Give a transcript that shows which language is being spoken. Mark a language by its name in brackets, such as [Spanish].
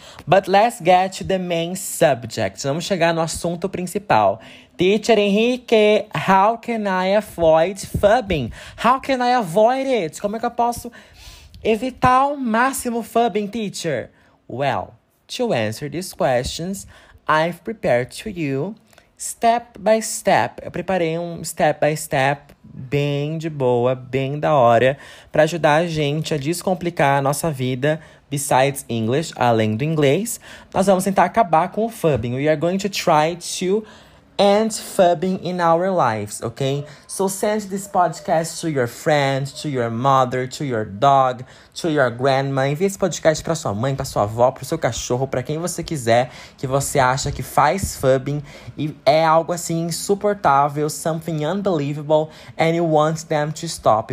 [English] But let's get to the main subject. [Portuguese] Vamos chegar no assunto principal. [English] Teacher Henrique, how can I avoid fubbing? How can I avoid it? [Portuguese] Como é que eu posso evitar o máximo fubbing, teacher? [English] Well, to answer these questions, I've prepared to you step by step. [Portuguese] Eu preparei um step by step bem de boa, bem da hora, para ajudar a gente a descomplicar a nossa vida. [English] Besides English, [Portuguese] além do inglês, nós vamos tentar acabar com o fubbing. [English] We are going to try to end fubbing in our lives, okay? So send this podcast to your friend, to your mother, to your dog, to your grandma. [Portuguese] Envie esse podcast para sua mãe, para sua avó, para o seu cachorro, para quem você quiser que você acha que faz fubbing e é algo assim insuportável, [English] something unbelievable, and you want them to stop.